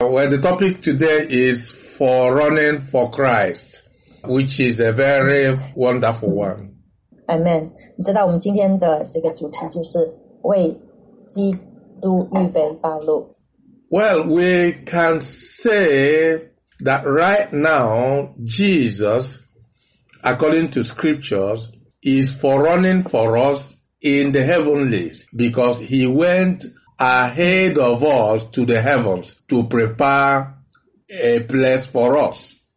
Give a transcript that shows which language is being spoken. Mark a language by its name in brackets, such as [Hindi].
[English] Well, the topic today is forerunning for Christ, which is a very wonderful one. Amen. [Chinese] 你知道我们今天的这个主题就是为基督预备道路。 [English] Well, we can say that right now, Jesus, according to scriptures, is forerunning for us in the heavenlies, because he went ahead of us to the heavens to prepare a place for us.